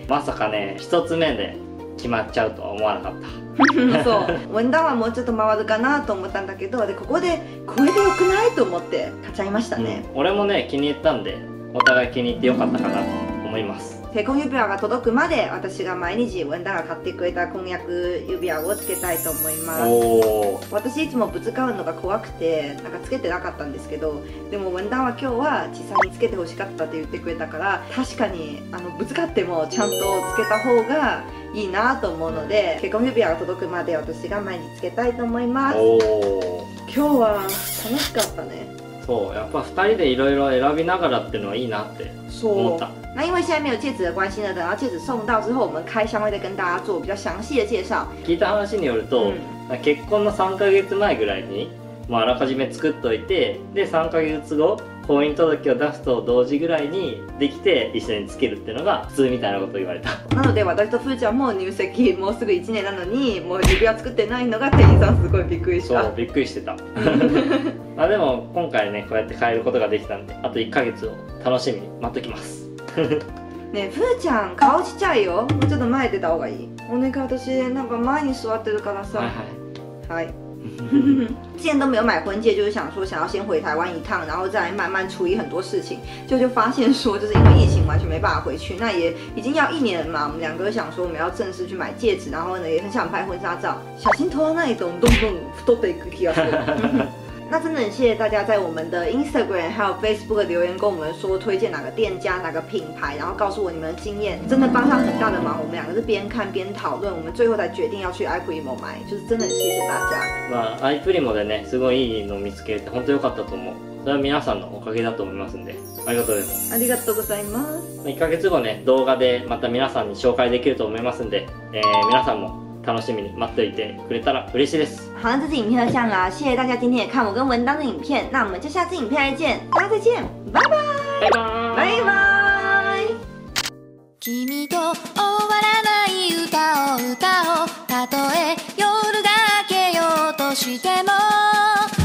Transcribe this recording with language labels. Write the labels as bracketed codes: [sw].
[ja] まさかね、一つ目で決まっちゃうとは思わなかった。そう、文当はもうちょっと回るかなと思ったんだけど、でここでこれでよくないと思って買っちゃいましたね。俺もね気に入ったんで、お互い気に入ってよかったかなと思います。結婚指輪が届くまで、私が毎日文旦が買ってくれた婚約指輪をつけたいと思います。私いつもぶつかるのが怖くて、なんかつけてなかったんですけど、でも文旦は今日は小さめにつけてほしかったって言ってくれたから、確かにぶつかってもちゃんとつけた方がいいなと思うので、結婚指輪が届くまで私が毎日つけたいと思います。今日は楽しかったね。そう、やっぱ二人でいろいろ選びながらっていうのはいいなって思った。 [zh] 那因为现在没有戒指的关系呢，等到戒指送到之后，我们开箱会再跟大家做比较详细的介绍。 [ja] 聞いた話によると、結婚の3ヶ月前ぐらいに、もうあらかじめ作っといて、で3ヶ月後婚姻届を出すと同時ぐらいにできて一緒につけるっていうのが普通みたいなことを言われた。なので私とふーちゃんも入籍もうすぐ1年なのに、もう指輪作ってないのが店員さんすごいびっくりした。そう、びっくりしてた。まあでも今回ねこうやって変えることができたんで、あと1ヶ月を楽しみに待っときます。ねえふーちゃん顔ちっちゃいよ、もうちょっと前出た方がいい。お願い、私なんか前に座ってるからさ。はい [zh] 之前都没有买婚戒，就是想说想要先回台湾一趟，然后再慢慢处理很多事情。就发现说，就是因为疫情完全没办法回去，那也已经要一年了嘛。我们两个想说我们要正式去买戒指，然后呢也很想拍婚纱照。小心拖到那里，咚咚咚都得去啊！那真的很谢谢大家在我们的 Instagram 还有 Facebook 留言跟我们说推荐哪个店家哪个品牌，然后告诉我你们的经验，真的帮上很大的忙。我们两个是边看边讨论，我们最后才决定要去 iPrimo 买，就是真的很谢谢大家。 [ja] まあ iPrimo でね、すごいいいの見つけて本当良かったと思う。それは皆さんのおかげだと思いますんで、ありがとうございます。ありがとうございます。 1ヶ月後ね、動画でまた皆さんに紹介できると思いますんで、皆さんも。楽しみに待っていてくれたら嬉しいです。 [zh] 好，这支影片就这样啦，谢谢大家今天也看我跟文当的影片，那我们就下次影片再见，大家再见，拜拜，拜拜，拜拜。 [ja] 君と終わらない歌を歌おう、たとえ夜が明けようとしても。